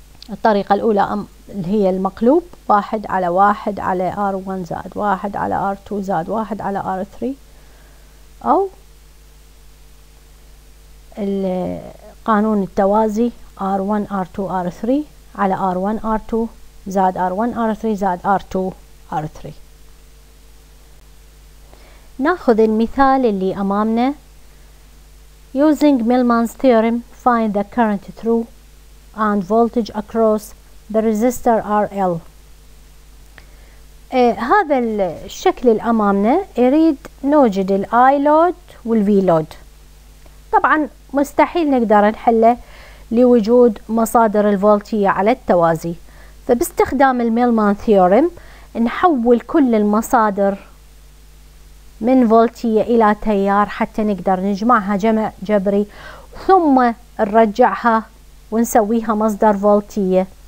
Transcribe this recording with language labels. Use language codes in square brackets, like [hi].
[ar] الطريقة الأولى هي المقلوب، واحد على واحد على R1 زائد واحد على R2 زائد واحد على R3، أو القانون التوازي R1 R2 R3 على R1 R2 زائد R1 R3 زائد R2 R3. نأخذ المثال اللي أمامنا. [en] Using Millman's theorem, find the current through and voltage across the resistor RL. [ar] هذا الشكل الأمامنا يريد نوجد الـ I load والـ V load. طبعا مستحيل نقدر نحله لوجود مصادر الفولتية على التوازي، فباستخدام الميلمان ثيوريم نحول كل المصادر من فولتية إلى تيار حتى نقدر نجمعها جمع جبري، ثم نرجعها ونسويها مصدر فولتية.